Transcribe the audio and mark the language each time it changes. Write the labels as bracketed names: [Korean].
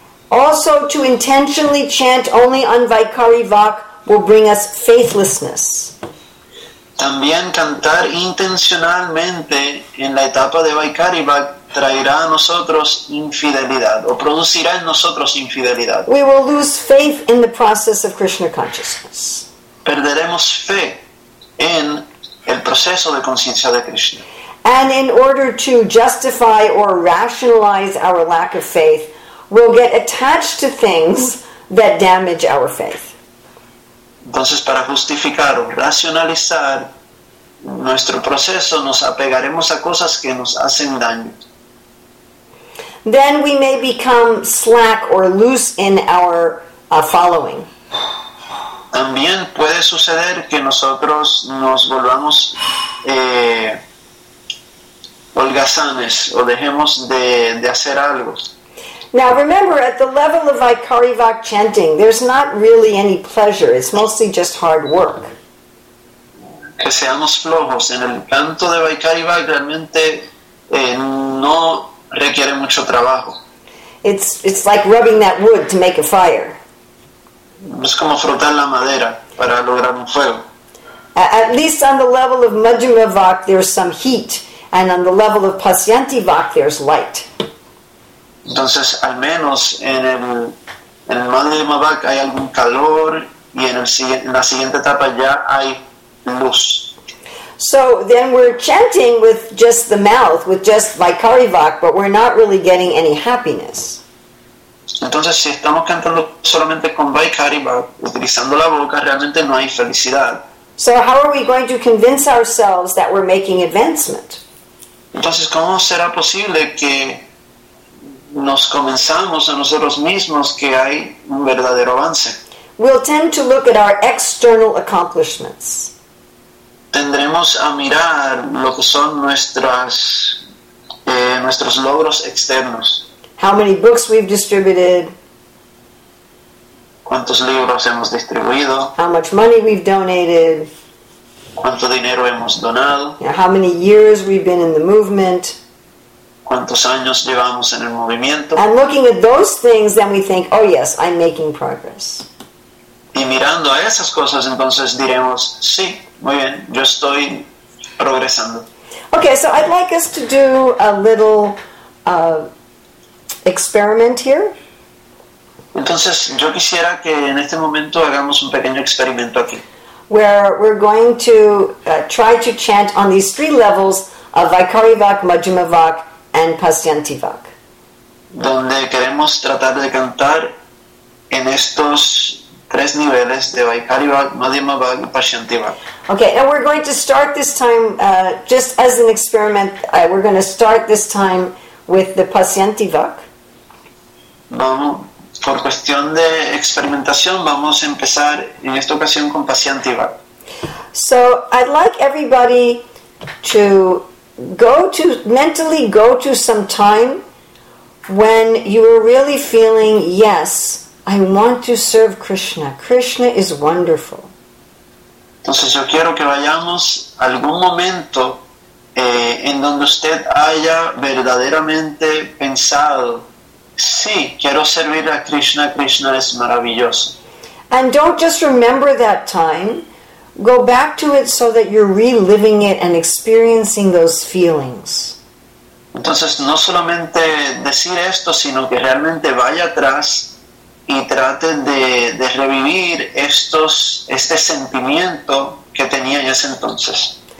[English] Also, to intentionally chant only on Vaikari Vak will bring us faithlessness. [Spanish] También cantar intencionalmente en la etapa de Vaikari Vak traerá a nosotros infidelidad o producirá en nosotros infidelidad. [English] We will lose faith in the process of Krishna consciousness. [Spanish] Perderemos fe en el proceso de conciencia de Krishna. [English] And in order to justify or rationalize our lack of faith, we'll get attached to things that damage our faith. [Spanish] Entonces, para justificar o racionalizar nuestro proceso, nos apegaremos a cosas que nos hacen daño. [English] Then we may become slack or loose in our following. [Spanish] También puede suceder que nosotros nos volvamos holgazanes o dejemos de hacer algo. [English] Now remember, at the level of Vaikari Vak chanting, there's not really any pleasure. It's mostly just hard work. [Spanish] Que seamos flojos. En el canto de Vaikari Vak realmente no requiere mucho trabajo. [English] It's like rubbing that wood to make a fire. [Spanish] Es como frotar la madera para lograr un fuego. [English] At least on the level of Madhuma Vak, there's some heat. And on the level of Pasyanti Vak, there's light. [Spanish] Entonces, al menos en el Madhuma Vak hay algún calor y en la siguiente etapa ya hay luz. [English] So then we're chanting with just the mouth, with just Vaikari Vak, but we're not really getting any happiness. [Spanish] Entonces, si estamos cantando solamente con Vaikari Vak, utilizando la boca, realmente no hay felicidad. [English] So how are we going to convince ourselves that we're making advancement? [Spanish] Entonces, ¿cómo será posible que nos convenzamos a nosotros mismos que hay un verdadero avance? [English] We'll tend to look at our external accomplishments. [Spanish] Tendremos a mirar lo que son nuestros logros externos. [English] How many books we've distributed. [Spanish] ¿Cuántos libros hemos distribuido? [English] How much money we've donated. [Spanish] ¿Cuánto dinero hemos donado? [English] Yeah, how many years we've been in the movement. [Spanish] ¿Cuántos años llevamos en el movimiento? [English] And looking at those things, then we think, oh yes, I'm making progress. [Spanish] Y mirando a esas cosas, entonces diremos, sí, muy bien, yo estoy progresando. [English] Okay, so I'd like us to do a little experiment here. [Spanish] Entonces, yo quisiera que en este momento hagamos un pequeño experimento aquí. [English] Where we're going to try to chant on these three levels of Vaikari Vak, Madhuma Vak, and Pasyanti Vak. [Spanish] Donde queremos tratar de cantar en estos tres niveles de Vaikari Vak, Madhuma Vak, Pasyanti Vak. [English] Okay, and we're going to start this time just as an experiment. We're going to start this time with the Pasyanti Vak. [Spanish] Vamos. Por cuestión de experimentación, vamos a empezar en esta ocasión con Pasyanti Vak. [English] So, I'd like everybody to mentally go to some time when you are really feeling, yes, I want to serve Krishna. Krishna is wonderful. [Spanish] Entonces, yo quiero que vayamos a algún momento en donde usted haya verdaderamente pensado, sí, quiero servir a Krishna. Krishna es maravilloso. [English] And don't just remember that time. Go back to it so that you're reliving it and experiencing those feelings. [Spanish] Entonces, no solamente decir esto, sino que realmente vaya atrás y trate de revivir este sentimiento que tenía en ese entonces.